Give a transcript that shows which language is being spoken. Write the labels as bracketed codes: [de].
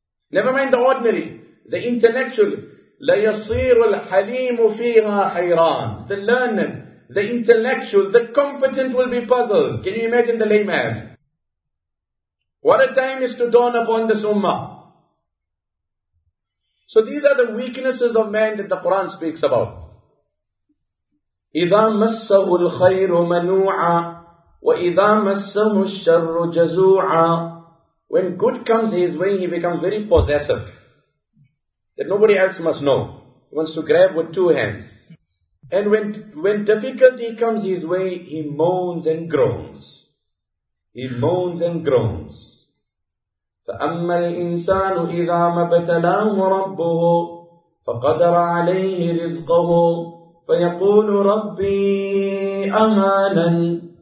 [en] Never mind the ordinary. The intellectual, [ar] لَيَصِيرُ الْحَلِيمُ فِيهَا حَيْرَانِ. [en] The learned, the intellectual, the competent will be puzzled. Can you imagine the lame man? What a time is to dawn upon this ummah. So these are the weaknesses of man that the Quran speaks about. [ar] إِذَا مَسَّهُ الْخَيْرُ مَنُوعًا وَإِذَا مَسَّهُ الشَّرُّ جَزُوعًا. [en] When good comes his way, he becomes very possessive. That nobody else must know. He wants to grab with two hands. And when difficulty comes his way, he moans and groans. He moans and groans. [ar] فَأَمَّا الْإِنسَانُ إِذَا مَبْتَلَاهُ رَبُّهُ فَقَدَرَ عَلَيْهِ رِزْقَهُ فَيَقُولُ رَبِّي أَهَانًا.